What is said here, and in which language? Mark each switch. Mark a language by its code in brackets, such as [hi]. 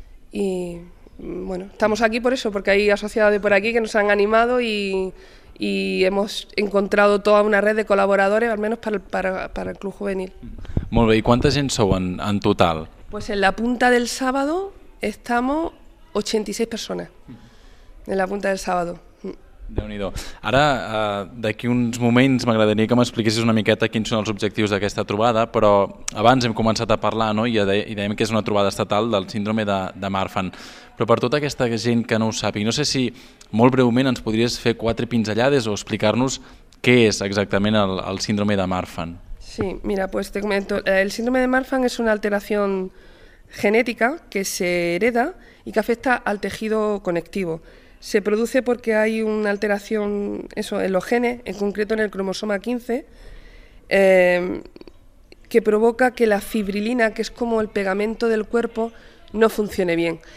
[es] Y bueno, estamos aquí por eso, porque hay asociados de por aquí que nos han animado y hemos encontrado toda una red de colaboradores, al menos para el club juvenil. Muy bien, ¿y cuánta gente [ca] sou [es] en total? Pues en la punta del sábado estamos 86 personas. En la punta del sábado. [ca] Déu-n'hi-do. Ara, d'aquí uns moments, m'agradaria que m'expliquessis una miqueta quins són els objectius d'aquesta trobada, però abans hem començat a parlar, no?, i dèiem que és una trobada estatal del síndrome de Marfan. Però per tota aquesta gent que no ho sàpiga, no sé si molt breument ens podries fer quatre pinzellades o explicar-nos què és exactament el síndrome de Marfan. [es] Sí, mira, pues te comento. El síndrome de Marfan es una alteración genética que se hereda y que afecta al tejido conectivo. Se produce porque hay una alteración en los genes, en concreto en el cromosoma 15, que provoca que la fibrilina, que es como el pegamento del cuerpo, no funcione bien.